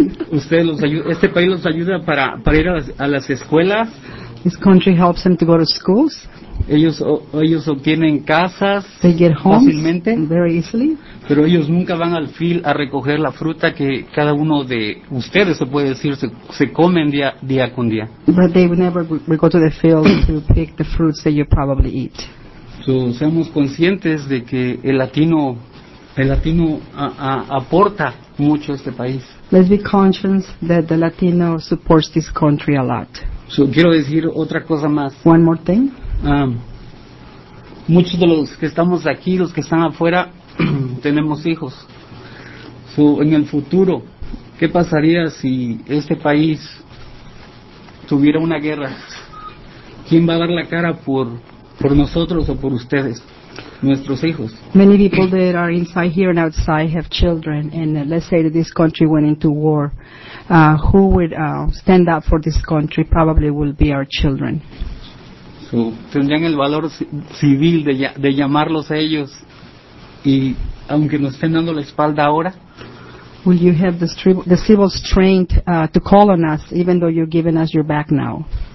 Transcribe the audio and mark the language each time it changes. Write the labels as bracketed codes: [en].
[es] ustedes los ayuda, este país los ayuda para ir a las escuelas. [en] This country helps them to go to schools. [es] Ellos obtienen casas. [en] They get homes [es] fácilmente. [en] Very easily. [es] Pero ellos nunca van al field a recoger la fruta que cada uno de ustedes, se puede decir, se comen día con día. [en] But they would never go to the field to pick the fruits that you probably eat. [es] So, seamos conscientes de que el latino aporta mucho a este país. [en] Let's be conscious that the Latino supports this country a lot. [es] So, quiero decir otra cosa más. [en] One more thing. [es] Muchos de los que estamos aquí, los que están afuera, tenemos hijos. So, en el futuro, ¿qué pasaría si este país tuviera una guerra? ¿Quién va a dar la cara por nosotros o por ustedes, nuestros hijos? [en] Many people that are inside here and outside have children, and let's say that this country went into war, who would stand up for this country? Probably will be our children. [es] So, tendrían el valor civil de llamarlos a ellos, y aunque nos estén dando la espalda ahora. [en] Will you have the civil strength to call on us, even though you're giving us your back now?